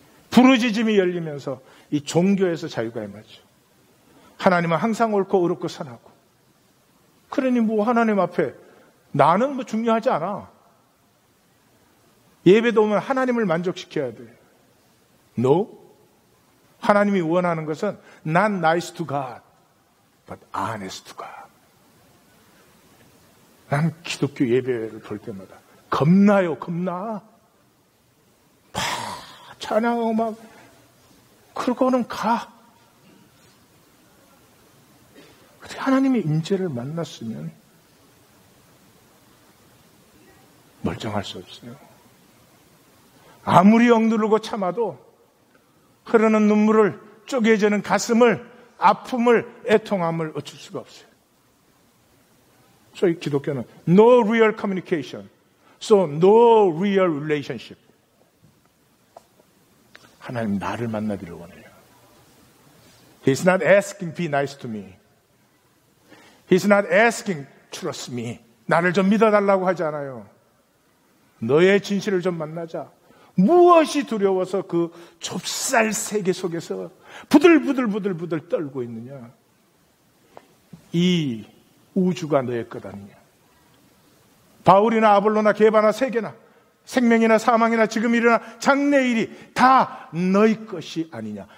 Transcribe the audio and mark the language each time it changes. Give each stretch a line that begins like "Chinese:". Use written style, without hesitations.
Korean: 부르짖음이 열리면서 이 종교에서 자유가 임하죠. 하나님은 항상 옳고 의롭고 선하고. 그러니 뭐 하나님 앞에 나는 뭐 중요하지 않아. 예배도 오면 하나님을 만족시켜야 돼.
English: No.
Korean: 하나님이 원하는 것은
English: not nice to God,
Korean: but honest to God. 난 기독교 예배를 볼 때마다 겁나요, 겁나. 막 찬양하고 막, 그러고는 가. 그런데 하나님의 임재를 만났으면 멀쩡할 수 없어요. 아무리 억누르고 참아도 흐르는 눈물을 쪼개지는 가슴을 아픔을 애통함을 어쩔 수가 없어요. 저희 기독교는
English: no real communication, so no real relationship.
Korean: 하나님 나를 만나기를 원해요.
English: He's not asking be nice to me. He's not asking trust me.
Korean: 나를 좀 믿어달라고 하지 않아요. 너의 진실을 좀 만나자. 무엇이 두려워서 그 좁쌀 세계 속에서 부들부들 떨고 있느냐. 이 우주가 너의 것 아니냐. 바울이나 아볼로나 게바나 세계나 생명이나 사망이나 지금이나 장래일이 다 너의 것이 아니냐.